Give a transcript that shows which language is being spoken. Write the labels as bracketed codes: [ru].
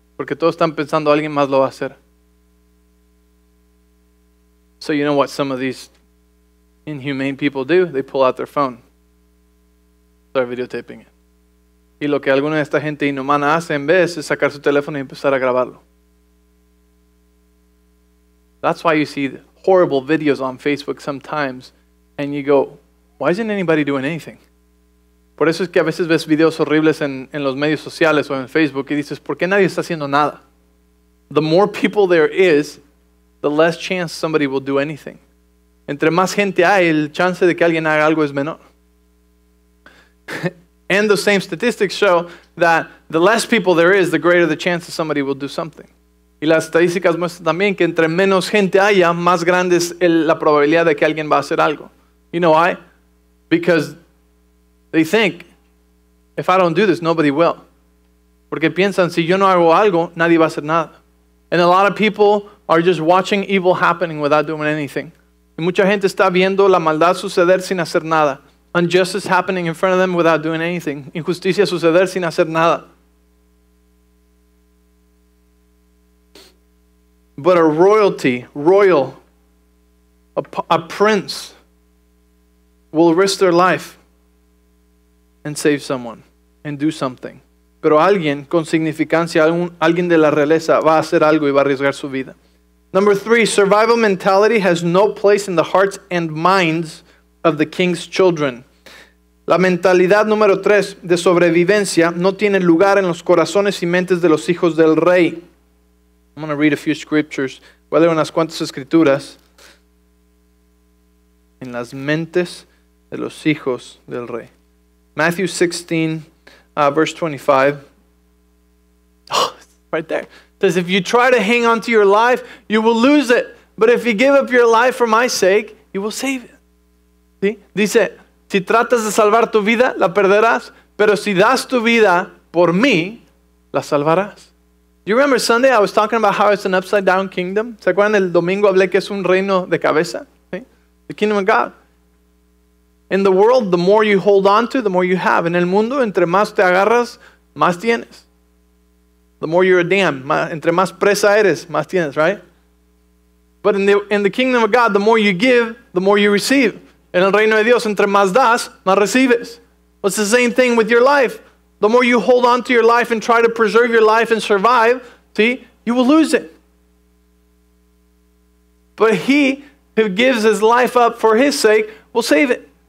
[es] Porque todos están pensando alguien más lo va a hacer. [en] So you know what some of these inhumane people do? They pull out their phone. Start videotaping it. [es] Y lo que alguna de esta gente inhumana hace en vez es sacar su teléfono y empezar a grabarlo. [en] That's why you see horrible videos on Facebook sometimes, and you go, why isn't anybody doing anything? [es] Por eso es que a veces ves videos horribles en los medios sociales o en Facebook, y dices, ¿por qué nadie está haciendo nada? [en] The more people there is, the less chance somebody will do anything. [es] Entre más gente hay, el chance de que alguien haga algo es menor. [en] And the same statistics show that the less people there is, the greater the chance that somebody will do something. [es] Y las estadísticas muestran también que entre menos gente haya, más grande es la probabilidad de que alguien va a hacer algo. [en] You know why? Because they think, if I don't do this, nobody will. [es] Porque piensan, si yo no hago algo, nadie va a hacer nada. [en] And a lot of people are just watching evil happening without doing anything. [es] Y mucha gente está viendo la maldad suceder sin hacer nada. [en] Injustice happening in front of them without doing anything. [es] Injusticia suceder sin hacer nada. [en] But a royalty, royal, a prince will risk their life and save someone and do something. [es] Pero alguien con significancia, alguien de la realeza va a hacer algo y va a arriesgar su vida. [en] Number three, survival mentality has no place in the hearts and minds of the king's children. [es] La mentalidad número tres de sobrevivencia no tiene lugar en los corazones y mentes de los hijos del rey. [en] I'm going to read a few scriptures. [es] Voy a leer unas cuantas escrituras. En las mentes de los hijos del rey. [en] Matthew 16, verse 25. Oh, right there. It says, if you try to hang on to your life, you will lose it. But if you give up your life for my sake, you will save it. [es] ¿Sí? Dice, si tratas de salvar tu vida, la perderás. Pero si das tu vida por mí, la salvarás. [en] You remember Sunday I was talking about how it's an upside down kingdom? [es] ¿Se acuerdan el domingo hablé que es un reino de cabeza? ¿Sí? [en] The kingdom of God. In the world, the more you hold on to, the more you have. [es] En el mundo, entre más te agarras, más tienes. [en] The more you're a dam, [es] entre más presa eres, más tienes, [en] right? But in the kingdom of God, the more you give, the more you receive. [es] En el reino de Dios, entre más das, más recibes. [en] Well, it's the same thing with your life. The more you hold on to your life and try to preserve your life and survive, see, you will lose it. But he who gives his life up for his sake will save it.